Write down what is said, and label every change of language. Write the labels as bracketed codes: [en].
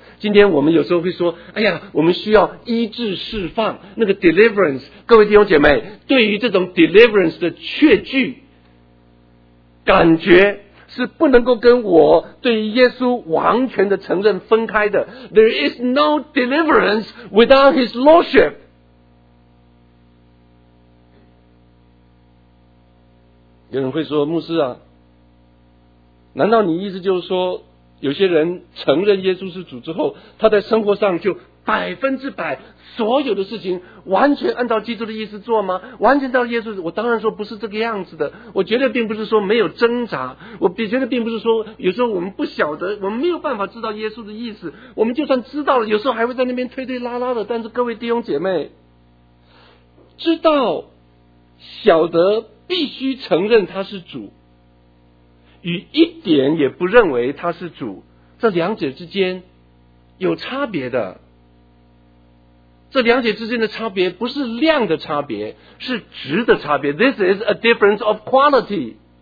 [zh] 今天我们有时候会说，哎呀，我们需要医治释放，那个 deliverance， 各位弟兄姐妹，对于这种 deliverance 的确据感觉是不能够跟我对耶稣完全的承认分开的。 [en] There is no deliverance without his lordship。 [zh] 有人会说，牧师啊，难道你意思就是说有些人承认耶稣是主之后，他在生活上就百分之百所有的事情完全按照基督的意思做吗？完全照耶稣？我当然说不是这个样子的。我绝对并不是说没有挣扎，我绝对并不是说有时候我们不晓得，我们没有办法知道耶稣的意思，我们就算知道了，有时候还会在那边推推拉拉的。但是各位弟兄姐妹，知道晓得必须承认他是主，与一点也不认为他是主，这两者之间有差别的。这两者之间的差别不是量的差别，是值的差别。 [en] This is a difference of quality。